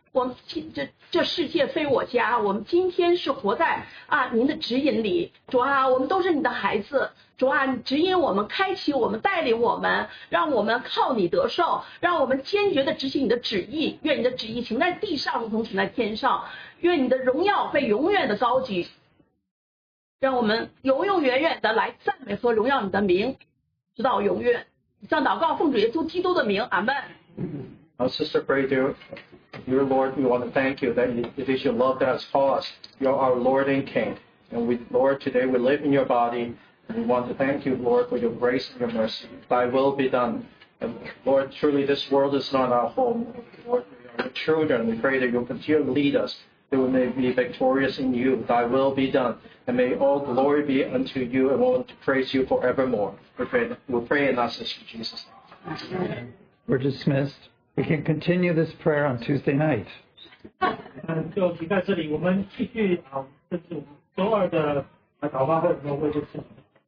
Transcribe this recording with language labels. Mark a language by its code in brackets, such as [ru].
[zh] 我们这世界非我家，我们今天是活在啊您的指引里，主啊，我们都是你的孩子，主啊，你指引我们，开启我们，带领我们，让我们靠你得胜，让我们坚决地执行你的旨意，愿你的旨意行在地上，如同行在天上，愿你的荣耀被永远的高举，让我们永永远远的来赞美和荣耀你的名，直到永远。以上祷告奉主耶稣基督的名，阿门。 [en] Sister pray to your Lord, we want to thank you that it is your love that has called us. You are our Lord and King. And we, Lord, today we live in your body. And we want to thank you, Lord, for your grace and your mercy. Thy will be done. And Lord, truly this world is not our home. Lord, we are your children. We pray that you will continue to lead us, that we may be victorious in you. Thy will be done. And may all glory be unto you, and we want to praise you forevermore. We pray in our sister Jesus. We're dismissed. We can continue this prayer on Tuesday night. Just [zh] 在这里，我们继续啊，这是周二的祷告会，我们会就进行。